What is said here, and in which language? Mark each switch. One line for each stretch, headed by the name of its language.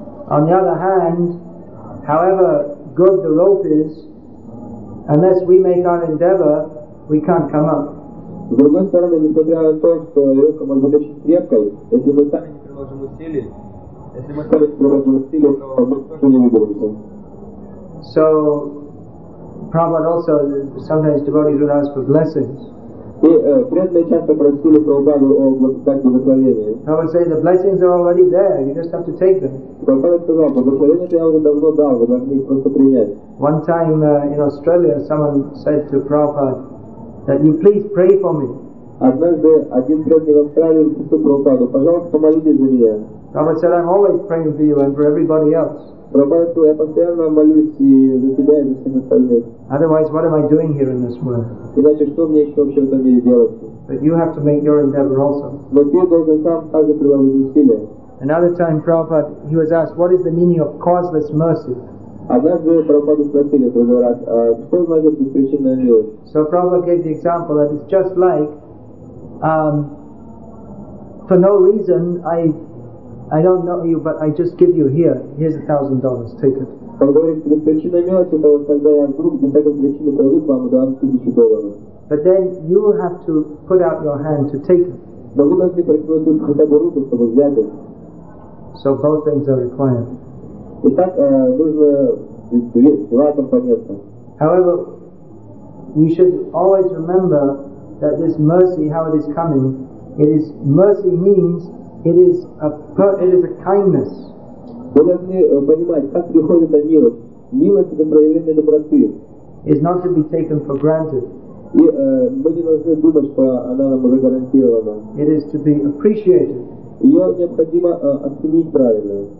English: On the other hand, however good the rope is, unless we make our endeavor, we can't come up.
Russian: С другой стороны, несмотря на то, что веревка может быть очень крепкой, если мы сами не приложим усилий, если мы сами не приложим усилий, то мы тоже не выберемся.
English: So, Prabhupada also, sometimes devotees would ask for blessings.
Russian: И преданные часто просили Прабхупаду о благословении.
English: I would say the blessings are already there. You just have to take them.
Russian: Прабхупада сказал, благословение я уже давно дал, вы должны их просто принять.
English: One time in Australia, someone said to Prabhupada that you please pray for me.
Russian: Однажды один преданный в Австралии попросил Прабхупаду, пожалуйста, помолитесь за меня.
English: Prabhupada said, I'm always praying for you and for everybody else.
Russian: Прабхупада сказал, я постоянно молюсь и за тебя и за всех остальных.
English: Otherwise, what am I doing here in this world?
Russian: Иначе что мне еще вообще в этом мире делать?
English: But you have to make your endeavor also.
Russian: Но ты должен сам также приложить усилия.
English: Another time, Prabhupada, he was asked, what is the meaning of causeless mercy?
Russian: Однажды Прабхупаду спросили в другой раз, что значит беспричинная милость?
English: So Prabhupada gave the example that it's just like, for no reason, I don't know you, but I just give you here's $1,000, take it.
Russian: Он говорит, что беспричинная милость — это вот когда я вдруг без всякой причины пройду к вам и дам $1,000.
English: But then you have to put out your hand to take it.
Russian: Но вы должны протянуть хотя бы руку, чтобы взять их.
English: So both things are required.
Russian: Итак, нужно два компонента.
English: However, we should always remember that this mercy, how it is coming, it is mercy means it is a kindness.
Russian: Вы должны понимать, как приходит эта милость. Милость — это проявление доброты.
English: Is not to be taken for granted.
Russian: И мы не должны думать, что она нам уже гарантирована.
English: It is to be appreciated.
Russian: Ее необходимо оценить правильно.